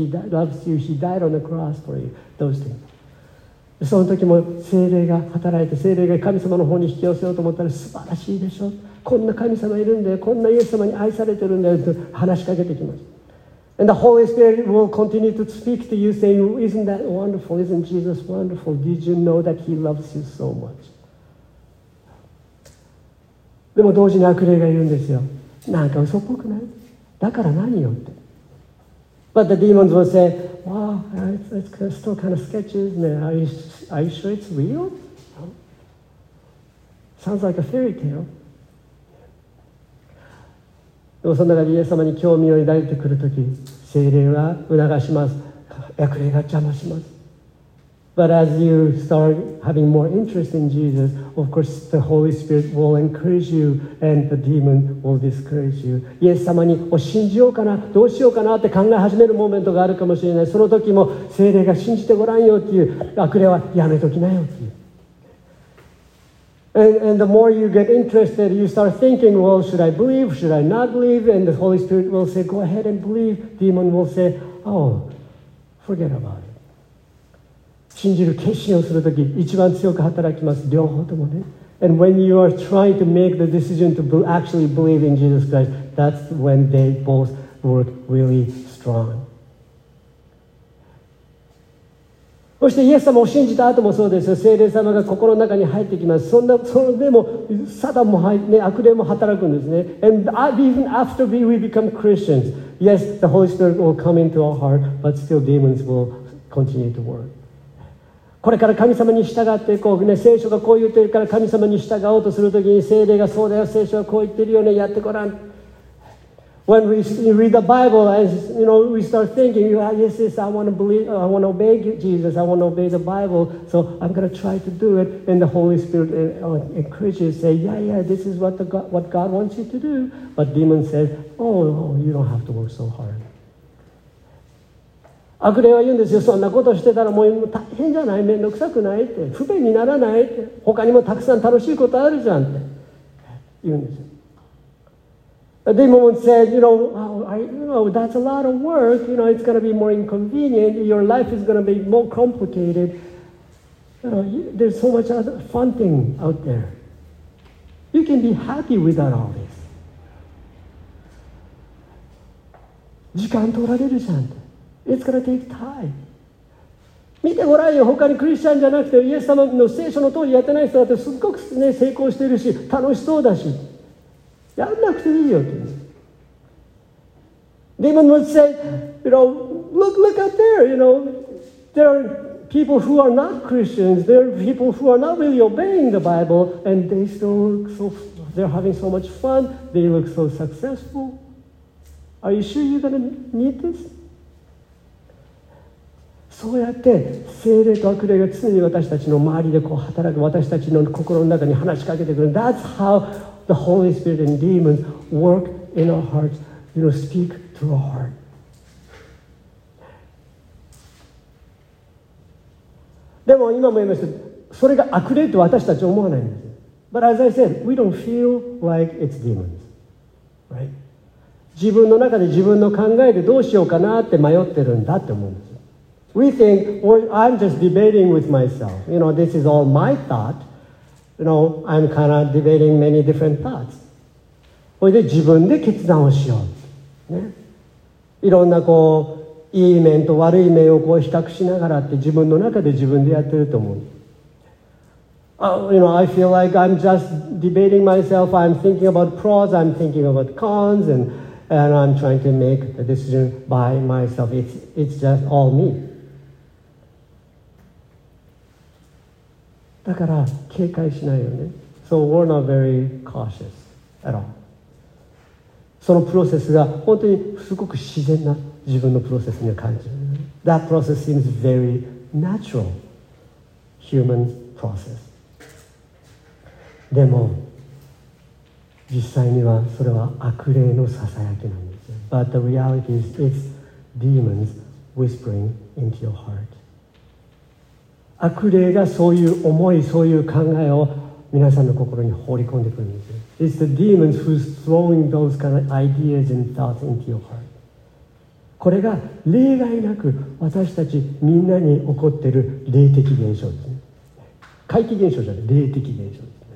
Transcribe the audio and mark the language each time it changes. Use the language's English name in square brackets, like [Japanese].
[English] He loves you, he died on the cross for you, those things. [Japanese] その時も聖霊が働いて、聖霊が神様の方に引き寄せようと思ったら、素晴らしいでしょ、こんな神様いるんだよ、こんなイエス様に愛されてるんだよと話しかけてきます。 [English] And the Holy Spirit will continue to speak to you, saying, Isn't that wonderful? Isn't Jesus wonderful? Did you know that He loves you so much? [Japanese] でも同時に悪霊が言うんですよ。なんか嘘っぽくない？だから何よって。 [English] But the demons will say, Wow, it's still kind of sketchy, isn't it? Are you sure it's real? Sounds like a fairy tale. [Japanese] でもその中でイエス様に興味を抱いてくるとき、聖霊は促します、悪霊が邪魔します。 [English] But as you start having more interest in Jesus, of course the Holy Spirit will encourage you and the demon will discourage you. [Japanese] イエス様にお信じようかな、どうしようかなって考え始めるモーメントがあるかもしれない。その時も聖霊が信じてごらんよっていう、悪霊はやめときなよっていう。 [English] And the more you get interested, you start thinking, well, should I believe? Should I not believe? And the Holy Spirit will say, go ahead and believe. Demon will say, oh, forget about it. [Japanese] 信じる決心をするとき、一番強く働きます。両方ともね。 [English] And when you are trying to make the decision to actually believe in Jesus Christ, that's when they both work really strong. [Japanese] そしてイエス様を信じた後もそうですよ。聖霊様が心の中に入ってきます。そんなそれでもサタンも入って、ね、悪霊も働くんですね。 [English] And even after we become Christians, yes, the Holy Spirit will come into our heart, but still demons will continue to work. [Japanese] これから神様に従っていこう、ね、聖書がこう言ってるから神様に従おうとするときに、聖霊がそうだよ、聖書はこう言ってるよね、やってごらん。 [English] When we read the Bible, and you know, we start thinking, yes, I want to believe, I want to obey Jesus, I want to obey the Bible, so I'm going to try to do it. And the Holy Spirit encourages, say, yeah, this is what God wants you to do. But demon says, oh, you don't have to work so hard. [Japanese] 悪霊は言うんですよ、そんなことしてたらもう大変じゃない、面倒くさくないって、不便にならないって、他にもたくさん楽しいことあるじゃんって言うんですよ。 [English] The demon said, you know, that's a lot of work, you know, it's going to be more inconvenient, your life is going to be more complicated, there's so much other fun thing out there. You can be happy without all this. [Japanese] 時間取られるじゃんって。 [English] It's gonna take time. [Japanese] 見てごらんよ、他にクリスチャンじゃなくてイエス様の聖書の通りやってない人だってすっごく、ね、成功してるし楽しそうだし、やんなくていいよって。 [English] Demon would say, you know, look out there, you know, there are people who are not Christians, there are people who are not really obeying the Bible, and they still look so, they're having so much fun, they look so successful. Are you sure you're gonna need this? [Japanese] そうやって聖霊と悪霊が常に私たちの周りでこう働く、私たちの心の中に話しかけてくる。 [English] That's how the Holy Spirit and demons work in our hearts, you know, speak to our heart. [Japanese] でも今も言いました、それが悪霊と私たちは思わないんです。 [English] But as I said, we don't feel like it's demons, right? [Japanese] 自分の中で自分の考えでどうしようかなって迷ってるんだって思うんです。 [English] We think, well, I'm just debating with myself. You know, this is all my thought. You know, I'm kind of debating many different thoughts. [Japanese] それで自分で決断をしよう。ね。いろんなこう、いい面と悪い面をこう比較しながらって自分の中で自分でやってると思う。 [English] You know, I feel like I'm just debating myself. I'm thinking about pros, I'm thinking about cons, and I'm trying to make a decision by myself. It's just all me. [Japanese] だから警戒しないよね。 [English] So we're not very cautious at all. [Japanese] そのプロセスが本当にすごく自然な自分のプロセスに感じる。 [English] That process seems very natural human process. [Japanese] でも実際にはそれは悪霊のささやきなんです。 [English] But the reality is it's demons whispering into your heart. [Japanese] 悪霊がそういう思い、そういう考えを皆さんの心に放り込んでくるんですよ。 [English] It's the demons who's throwing those kind of ideas and thoughts into your heart. [Japanese] これが例外なく私たちみんなに起こっている霊的現象ですね。怪奇現象じゃない、霊的現象ですね。